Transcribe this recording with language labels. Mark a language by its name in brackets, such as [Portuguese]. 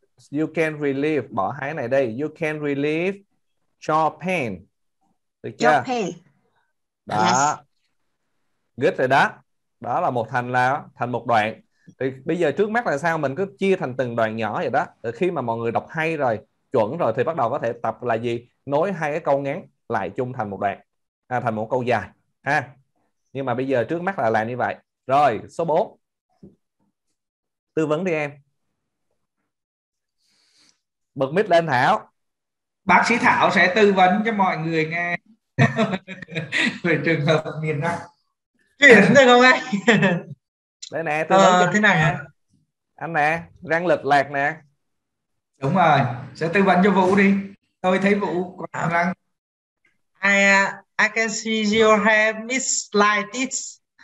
[English] You can relieve, [Vietnamese] bỏ hai này đây. [English] You can relieve your pain. [Vietnamese] Được chưa? [English] Your pain. [Vietnamese] Đó. Yes. Good rồi đó. Đó là một thành là thành một đoạn. Thì bây giờ trước mắt là sao? Mình cứ chia thành từng đoạn nhỏ vậy đó. Để khi mà mọi người đọc hay rồi, chuẩn rồi thì bắt đầu có thể tập là gì? Nối hai cái câu ngắn lại chung thành một đoạn. À, thành một câu dài. Ha. Nhưng mà bây giờ trước mắt là làm như vậy. Rồi, số 4. Tư vấn đi em. Bật mic lên Thảo. Bác sĩ Thảo sẽ tư vấn cho mọi người nghe về trường hợp miền Nam. Chuyển được không anh? Đây nè, tư vấn thế này hả? Anh nè, răng lịch lạc nè. Đúng rồi, sẽ tư vấn cho Vũ đi. Tôi thấy Vũ có răng. [English] I can see your hair is like this.